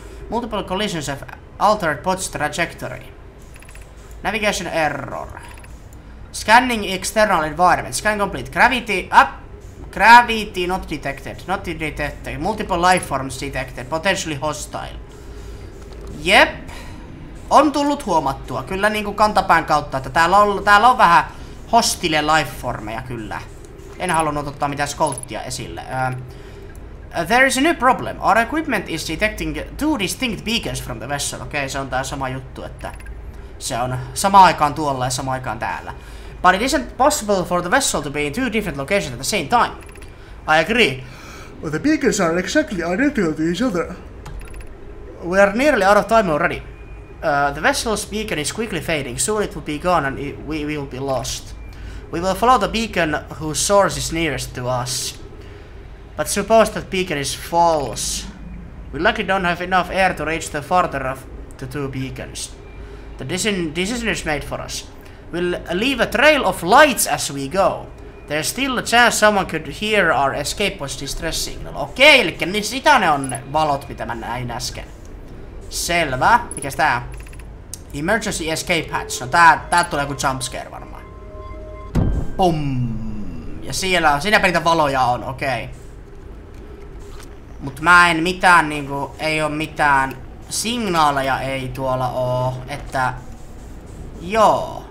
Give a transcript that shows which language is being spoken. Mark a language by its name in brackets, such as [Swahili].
[English] Multiple collisions have altered pod's trajectory. Navigation error. Scanning external environment. Scan complete. Gravity. Gravity not detected. Not detected. Multiple life forms detected. Potentially hostile. [Finnish] Jep. On tullut huomattua. Kyllä niinku kantapään kautta, että täällä on vähän hostile life formeja kyllä. En halunnut ottaa mitään skolttia esille. [English] There is a new problem. Our equipment is detecting two distinct beacons from the vessel. [Finnish] Okei, se on tää sama juttu, että se on sama aikaan tuolla ja sama aikaan täällä. [English] But it isn't possible for the vessel to be in two different locations at the same time. I agree. But the beacons are exactly identical to each other. We are nearly out of time already. The vessel's beacon is quickly fading. Soon it will be gone and we will be lost. We will follow the beacon whose source is nearest to us. But suppose that beacon is false. We likely don't have enough air to reach the farther of the two beacons. The decision is made for us. We'll leave a trail of lights as we go. There's still a chance someone could hear our escape pod distress signal. [Finnish] Okei, elikkä niin sitä ne on ne valot, mitä mä näin äsken. Selvä. Mikäs tää? [English] Emergency escape hatch. [Finnish] No tää tulee joku jumpscare varmaan. Pum. Ja siinäpä niitä valoja on, okei. Mut mä en mitään niinku, ei oo mitään signaaleja ei tuolla oo, että... Joo.